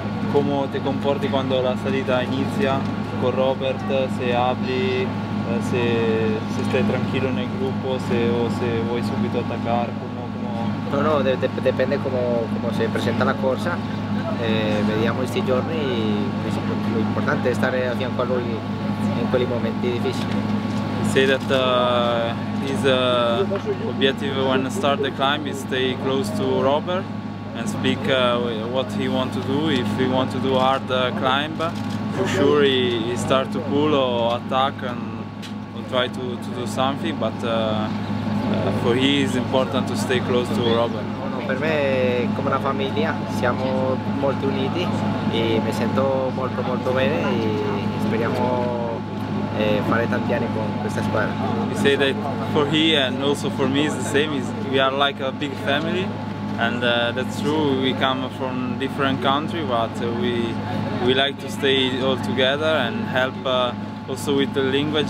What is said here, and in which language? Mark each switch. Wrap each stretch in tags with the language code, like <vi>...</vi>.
<it>come ti comporti quando la salita inizia con Robert, se apri, se stai tranquillo nel gruppo, se vuoi subito attaccare, No, dipende come si presenta la corsa. Vediamo questi giorni, e lo importante è stare a fianco a lui in quei momenti difficili.</it> <en>Say that his objective when start the climb is stay close to Robert and speak what he want to do. If he want to do hard climb, for sure he start to pull or attack and try to do something, but for he is important to stay close to Robert.</en> <it>Per me è come una famiglia, siamo molto uniti e mi sento molto molto bene e speriamo fare tanti anni con questa squadra.</it> <en>He say that for he and also for me is the same, we are like a big family. And that's true, we come from different country, but we like to stay all together and help also with the language.</en>